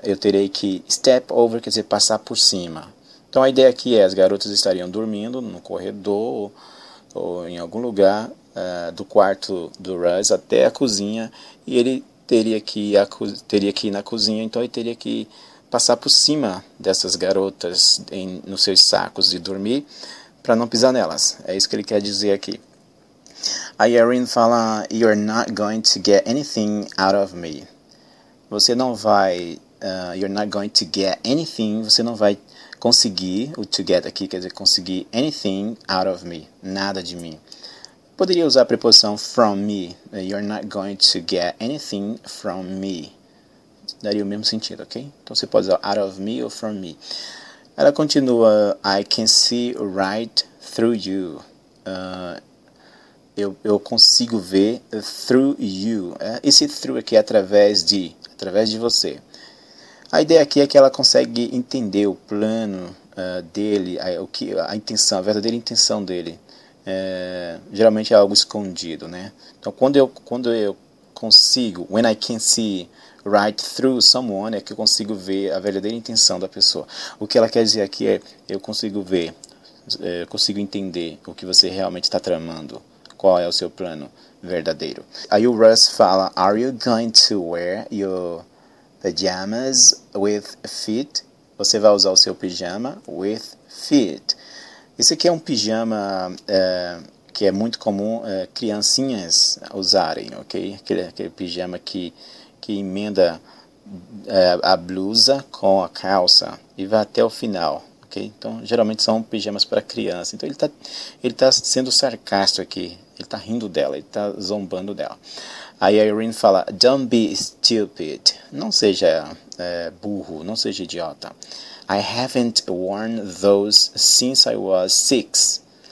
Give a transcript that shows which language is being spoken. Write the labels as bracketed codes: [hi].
[pt] Eu terei que [en] step over, [pt] quer dizer passar por cima. Então, a ideia aqui é as garotas estariam dormindo no corredor ou em algum lugar do quarto do Russ até a cozinha. E ele teria que ir na cozinha, então ele teria que passar por cima dessas garotas nos seus sacos de dormir para não pisar nelas. É isso que ele quer dizer aqui. Aí a Irene fala, [en] you're not going to get anything out of me. [pt] Você não vai, [en] you're not going to get anything, [pt] você não vai conseguir, o [en] to get [pt] aqui quer dizer conseguir [en] anything out of me, [pt] nada de mim. Poderia usar a preposição [en] from me, you're not going to get anything from me. [pt] Daria o mesmo sentido, ok? Então você pode usar [en] out of me [pt] ou [en] from me. [pt] Ela continua, [en] I can see right through you. [pt] Eu consigo ver [en] through you. [pt] Esse through aqui é através de você. A ideia aqui é que ela consegue entender o plano dele, a intenção, a verdadeira intenção dele. Geralmente é algo escondido, né? Então quando eu consigo, [en] when I can see right through someone, [pt] é que eu consigo ver a verdadeira intenção da pessoa. O que ela quer dizer aqui é, eu consigo ver, eu consigo entender o que você realmente está tramando, qual é o seu plano verdadeiro. Aí o Russ fala, [en] are you going to wear your pajamas with feet? [pt] Você vai usar o seu pijama [en] with feet. [pt] Esse aqui é um pijama que é muito comum criancinhas usarem, ok? Aquele pijama que emenda a blusa com a calça e vai até o final, ok? Então, geralmente são pijamas para criança. Então, ele tá sendo sarcástico aqui. Ele tá rindo dela, ele tá zombando dela. Aí a Irene fala, [en] don't be stupid. [pt] Não seja burro, não seja idiota. [en] I haven't worn those since I was 6.